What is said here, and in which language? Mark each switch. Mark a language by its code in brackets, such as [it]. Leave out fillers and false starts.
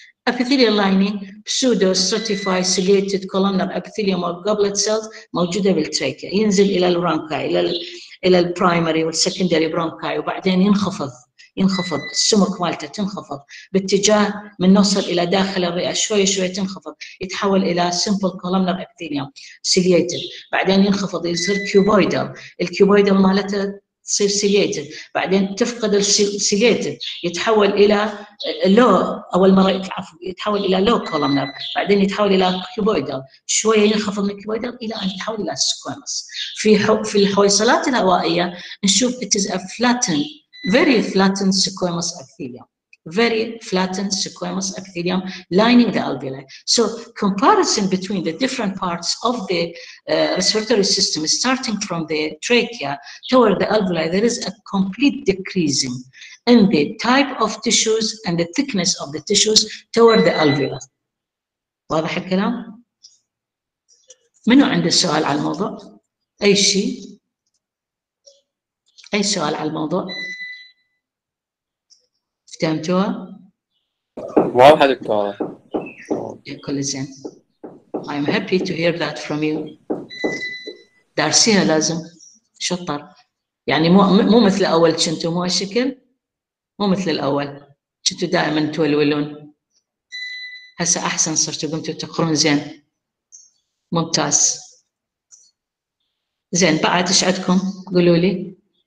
[en] Epithelial lining, pseudo-stratified ciliated columnar epithelium or goblet cells [ar] موجودة بالتراكيا، ينزل إلى البرونكاي، إلى البرايمري والسكندري برونكاي، وبعدين ينخفض السمك مالته، تنخفض باتجاه من نوصل إلى داخل الرئة، شوي تنخفض، يتحول إلى [en] simple columnar epithelium ciliated، [ar] بعدين ينخفض يصير كيوبويدال، الكيوبويدال مالته تصير سيليتد، بعدين تفقد السيليتد يتحول الى لو، اول مره عفوا يتحول الى لو كولومنر، بعدين يتحول الى كيوبويدال، شويه ينخفض من كيوبويدال الى ان يتحول الى سكوامس. في الحويصلات الهوائيه نشوف [en] it is a flattened, very flattened squamous epithelium. Very flattened squamous epithelium lining the alveoli. So comparison between the different parts of the respiratory system, starting from the trachea toward the alveoli, there is a complete decreasing in the type of tissues and the thickness of the tissues toward the alveoli. [ar] واضح الكلام؟ منو عنده سؤال على الموضوع؟ أي شيء؟ أي سؤال على الموضوع؟ فهمتوها؟ واضح دكتورة. كل زين. [en] I'm happy to hear that from you. [ar] دارسيها لازم. شطر. يعني مو مثل أول كنتوا، مو هالشكل؟ مو مثل الأول. كنتوا دائما تولولون. هسا أحسن صرتوا قمتوا تقرون زين. ممتاز. زين بعد ايش عندكم؟ قولوا لي.